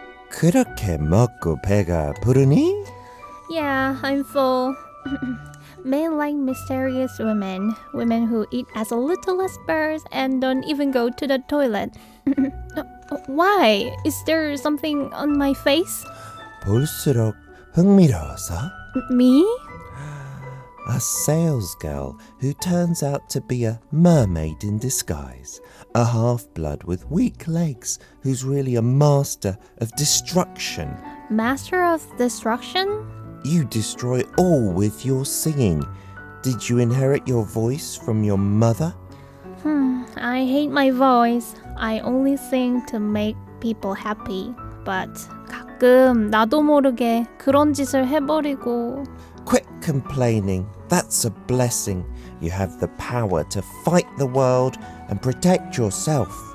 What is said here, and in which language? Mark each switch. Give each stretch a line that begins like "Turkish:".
Korean: 그렇게 먹고 배가 부르니?
English: Yeah, I'm full. Men like mysterious women. Women who eat as little as birds and don't even go to the toilet. Why? Is there something on my face?
Korean: 볼수록 흥미로워서?
English: Me? A sales girl who turns out to be a mermaid in disguise. A half-blood with weak legs who's really a master of destruction. Master of destruction? You destroy all with your singing. Did you inherit your voice from your mother? I hate my voice. I only sing to make people happy. But
Korean: 가끔 나도 모르게 그런 짓을 해버리고.
English: Quit complaining. That's a blessing. You have the power to fight the world and protect yourself.